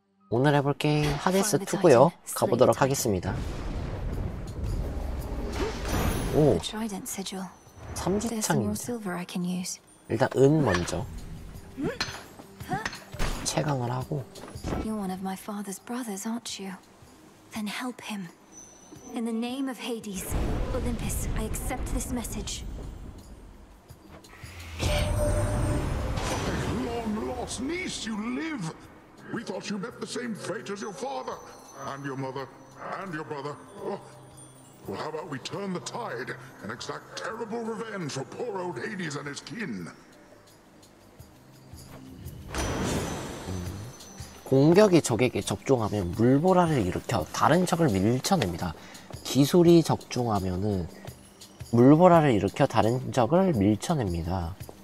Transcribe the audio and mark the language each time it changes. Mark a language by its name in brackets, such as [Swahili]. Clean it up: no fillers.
[Korean] 오늘 해볼 게임 하데스 2고요. 가보도록 하겠습니다. 오, 삼지창입니다. 일단 은 먼저 채광을 하고. [English] You're one of my father's brothers, aren't you? Then help him. In the name of Hades, Olympus, I accept this message. Long lost niece, you live. We thought you met the same fate as your father, and your mother, and your brother. Well, how about we turn the tide and exact terrible revenge for poor old Hades and his kin? [Korean] 공격이 적에게 적중하면 물보라를 일으켜 다른 적을 밀쳐냅니다. 기술이 적중하면은 물보라를 일으켜 다른 적을 밀쳐냅니다.